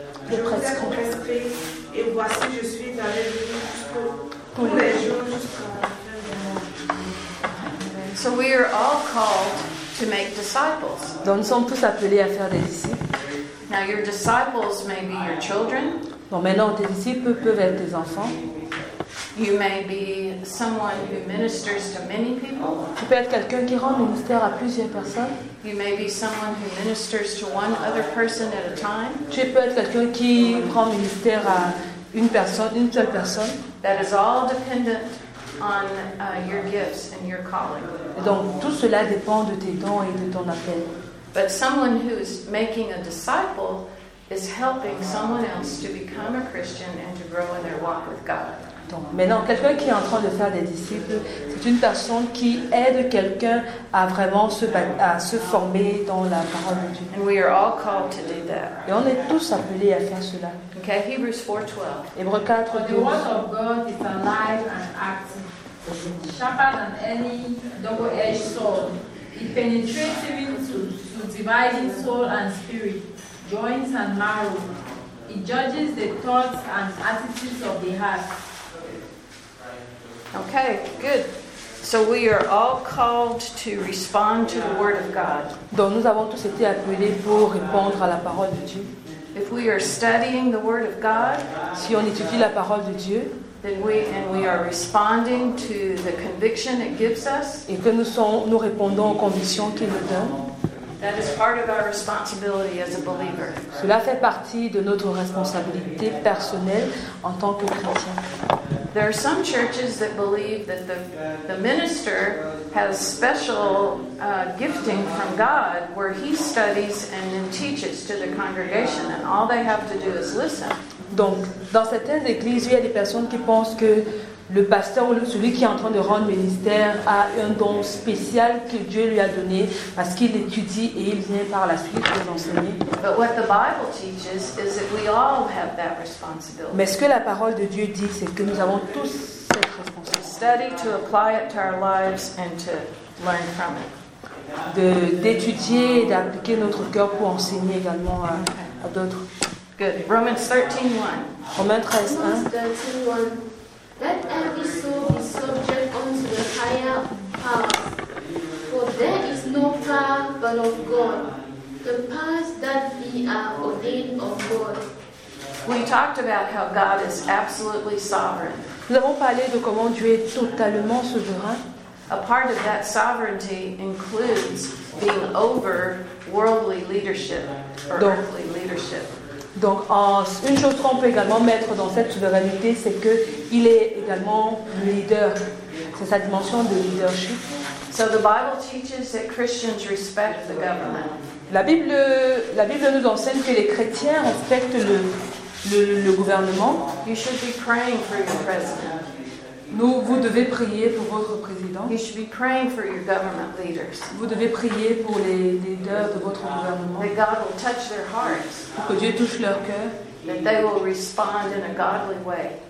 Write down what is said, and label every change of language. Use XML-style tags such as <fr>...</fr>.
<fr>Je vous ai prescrit, et voici, je suis avec vous tous les jours jusqu'à la fin du monde.</fr> <en>So we are all called to make disciples.</en> <fr>Donc nous sommes tous appelés à faire des disciples.</fr> <en>Now your disciples may be your children.</en> <fr>Donc maintenant tes disciples peuvent être tes enfants.</fr> <en>You may be someone who ministers to many people.</en> <fr>Tu peux être quelqu'un qui rend ministère à plusieurs personnes.</fr> <en>You may be someone who ministers to one other person at a time.</en> <fr>Tu peux être quelqu'un qui rend ministère à une personne, une seule personne.</fr> <en>That is all dependent on your gifts and your calling.</en> <fr>Et donc tout cela dépend de tes dons et de ton appel.</fr> <en>But someone who is making a disciple is helping someone else to become a Christian and to grow in their walk with God.</en> <fr>Donc maintenant quelqu'un qui est en train de faire des disciples, c'est une personne qui aide quelqu'un à vraiment se former dans la parole de Dieu.</fr> <en>And we are all called to do that.</en> <fr>Et on est tous appelés à faire cela.</fr> <en>Okay, Hebrews 4:12.</en> <fr>Hébreux 4:12.</fr> <en>The word of God is alive and active, sharper than any double-edged sword. It penetrates even to dividing soul and spirit, joints and marrow. It judges the thoughts and attitudes of the heart. Okay, good. So we are all called to respond to the word of God.</en> <fr>Donc nous avons tous été appelés pour répondre à la parole de Dieu.</fr> <en>If we are studying the word of God,</en> <fr>si on étudie la parole de Dieu,</fr> <en>then we are responding to the conviction it gives us.</en> <fr>Et que nous répondons aux convictions qu'il nous donne.</fr> <en>That is part of our responsibility as a believer.</en> <fr>Cela fait partie de notre responsabilité personnelle en tant que chrétien.</fr> <en>There are some churches that believe that the minister has special gifting from God, where he studies and then teaches to the congregation, and all they have to do is listen.</en> <fr>Donc, dans certaines églises, il y a des personnes qui pensent que le pasteur ou celui qui est en train de rendre ministère a un don spécial que Dieu lui a donné parce qu'il étudie et il vient par la suite les enseigner.</fr> <en>But what the Bible teaches is that we all have that responsibility.</en> <fr>Mais ce que la parole de Dieu dit, c'est que nous avons tous cette responsabilité.</fr> <en>Study to apply it to our lives and to learn from it.</en> <fr>D'étudier et d'appliquer notre cœur pour enseigner également à d'autres.</fr> <en>Good. Romans 13:1. Let every soul be subject unto the higher powers, for there is no power but of God. The powers that be are ordained of God. We talked about how God is absolutely sovereign.</en> <fr>Nous avons parlé de comment Dieu est totalement souverain.</fr> <en>A part of that sovereignty includes being over worldly leadership or earthly leadership.</en> <fr>Donc, une chose qu'on peut également mettre dans cette souveraineté, c'est que il est également leader. C'est sa dimension de leadership.</fr> <en>So the Bible teaches that Christians respect the government.</en> <fr>La Bible nous enseigne que les chrétiens respectent le gouvernement.</fr> <en>You should be praying for your president.</en> <fr>Vous devez prier pour votre président.</fr> <en>You should be praying for your government leaders.</en> <fr>Vous devez prier pour les leaders de votre gouvernement.</fr> <en>That God will touch their hearts.</en> <fr>Pour que Dieu touche leur cœur.</fr> <en>That they will respond in a godly way.</en>